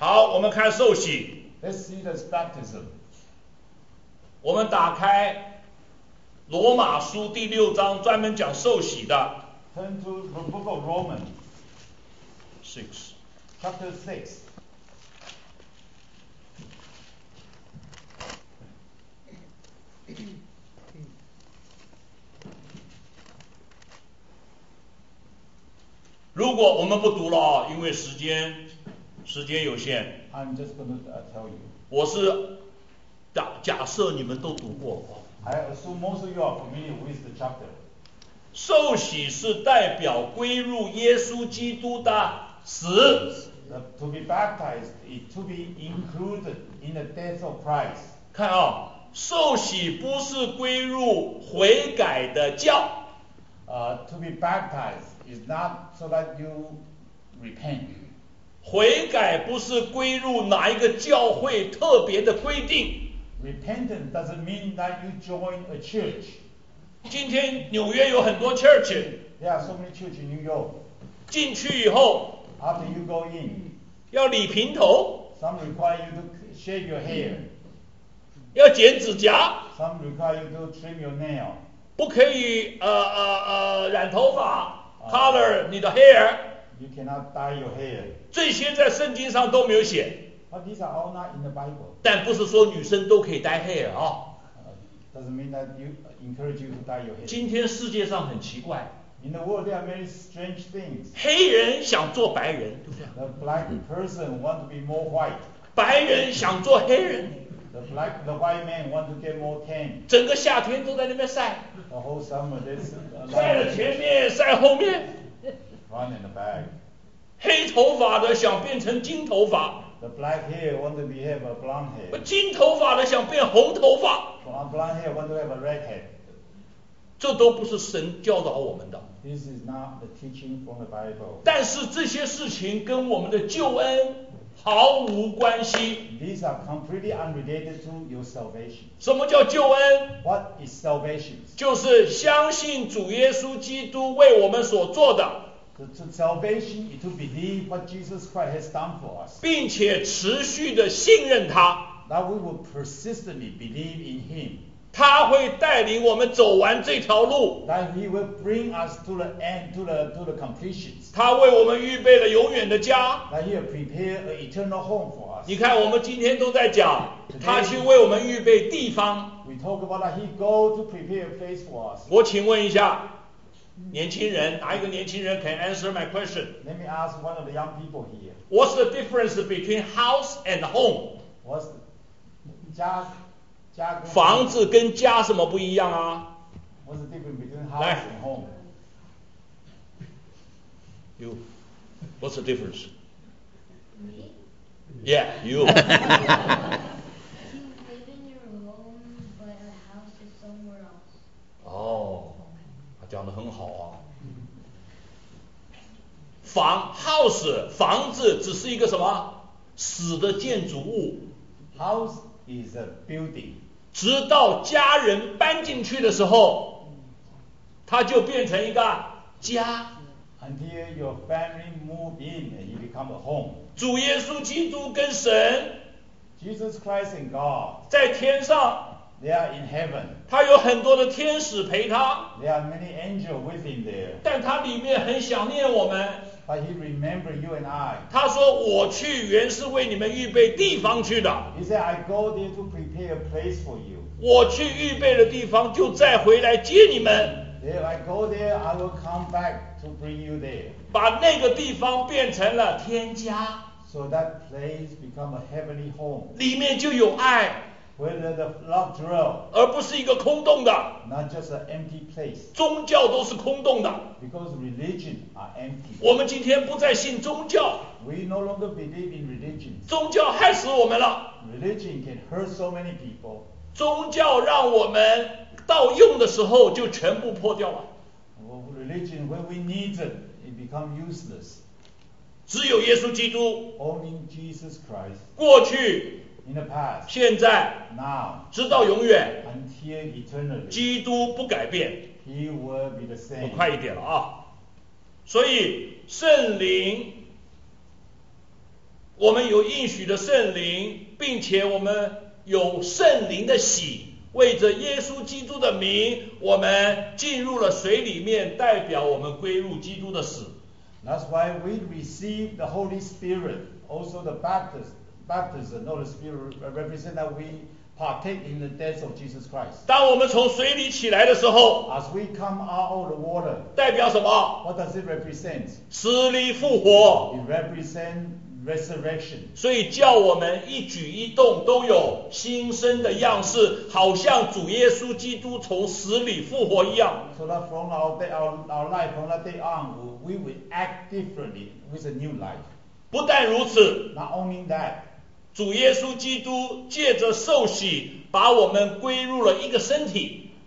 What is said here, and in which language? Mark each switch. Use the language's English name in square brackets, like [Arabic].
[Chinese] 好，我们看受洗。 [English] Let's see the baptism. [Chinese] 我们打开罗马书第六章，专门讲受洗的。 [English] Turn to the book of Romans. Six. Chapter six. [Chinese] 如果我们不读了啊，因为时间有限。 [English] I'm just gonna tell you. [Chinese] 我是假设你们都读过。 [English] I assume most of you are familiar with the chapter. [Chinese] 受洗是代表归入耶稣基督的死。 [English] To be baptized is to be included in the death of Christ. [Chinese] 看啊，受洗不是归入悔改的教。 [English] To be baptized. Is not so that you repent. [Chinese] 悔改不是归入哪一个教会特别的规定。 [English] Repentance doesn't mean that you join a church. [Chinese] 今天纽约有很多 church. [English] There are so many church in New York. [Chinese] 进去以后。 [English] After you go in. [Chinese] 要理平头。 [English] Some require you to shave your hair. [Chinese] 要剪指甲。 [English] Some require you to trim your nail. [Chinese] 不可以染头发。 [English] Color [Chinese] 你的 [English] hair， you cannot dye your hair. [Chinese] 这些在圣经上都没有写。 [English] But these are all not in the Bible. [Chinese] 但不是说女生都可以 [English] dye hair [Chinese] 啊。 [English] Doesn't mean that you encourage you to dye your hair. [Chinese] 今天世界上很奇怪。 [English] In the world there are many strange things. [Chinese] 黑人想做白人。 [English] The black person want to be more white. [Chinese] 白人想做黑人。 [English] The white man want to get more tan. [Chinese] 整个夏天都在那边晒。 [English] The whole summer this. [Chinese] 晒了前面，晒后面。 [English] Run in the back. [Chinese] 黑头发的想变成金头发。 [English] The black hair want to have a blonde hair. [Chinese] 金头发的想变红头发。 [English] Blonde hair want to have a red head. [Chinese] 这都不是神教导我们的。 [English] This is not the teaching from the Bible. [Chinese] 但是这些事情跟我们的救恩。毫无关系。 [English] These are completely unrelated to your salvation. [Chinese] 什么叫救恩 [English] ？What is salvation? [Chinese] 就是相信主耶稣基督为我们所做的。 [English] The salvation is to believe what Jesus Christ has done for us. [Chinese] 并且持续的信任他。 [English] That we will persistently believe in Him. [Chinese] 他会带领我们走完这条路。 [English] That He will bring us to the end, to the completions. [Chinese] 他为我们预备了永远的家。 [English] That He will prepare an eternal home for us. [Chinese] 你看，我们今天都在讲， [English] Today, [Chinese] 他去为我们预备地方。 [English] We talk about that He go to prepare a place for us. [Chinese] 我请问一下，年轻人，哪一个年轻人 [English] can answer my question? Let me ask one of the young people here. What's the difference between house and home? What's the 家 [Chinese] 房子跟家什么不一样啊？ [English] What's the difference between house and home? You. What's the difference? Me? Yeah, you. You live in your home, but a house is somewhere else. [Chinese] 哦，讲得很好啊。房 house 房子只是一个什么死的建筑物。 [English] House is a building. [Chinese] 直到家人搬进去的时候，它就变成一个家。 [English] Until your family move in, you become a home. [Chinese] 主耶稣基督跟神 [English] ，Jesus Christ and God， [Chinese] 在天上 [English] ，They are in heaven. [Chinese] 他有很多的天使陪他 [English] ，There are many angels with him there. [Chinese] 但他里面很想念我们 [English] ，But he remember you and I. [Chinese] 他说我去原是为你们预备地方去的 [English] ，He said I go there to prepare a place for you. [Chinese] 我去预备的地方就再回来接你们。 [English] If I go there, I will come back to bring you there. [Chinese] 把那个地方变成了天家。 [English] So that place become a heavenly home. [Chinese] 里面就有爱。 [English] Where the love dwell. [Chinese] 而不是一个空洞的。 [English] Not just an empty place. [Chinese] 宗教都是空洞的。 [English] Because religion are empty. [Chinese] 我们今天不再信宗教。 [English] We no longer believe in religion. [Chinese] 宗教害死我们了。 [English] Religion can hurt so many people. [Chinese] 宗教让我们到用的时候就全部破掉了。 [English] Well, religion, when we need it, it become useless. [Chinese] 只有耶稣基督。 [English] Only Jesus Christ. [Chinese] 过去。 [English] In the past. [Chinese] 现在。 [English] Now. [Chinese] 直到永远。 [English] Until eternity. [Chinese] 基督不改变。 [English] He will be the same. [Chinese] 我快一点了啊！所以圣灵，我们有应许的圣灵，并且我们有圣灵的喜。为着耶稣基督的名，我们进入了水里面，代表我们归入基督的死。 [English] That's why we receive the Holy Spirit, also the baptism, not the Spirit, represent that we partake in the death of Jesus Christ. [Chinese] 当我们从水里起来的时候 [English] ，As we come out of the water, [Chinese] 代表什么 [English] ？What does it represent? [Chinese] 死里复活。 [English] It represent resurrection， [Chinese] 所以叫我们一举一动都有新生的样式，好像主耶稣基督从死里复活一样。 [English] So that from our day, our life, from that day on, we will act differently with a new life. [Chinese] 不但如此 [English] ，Not only that， [Chinese] 主耶稣基督借着受洗，把我们归入了一个身体。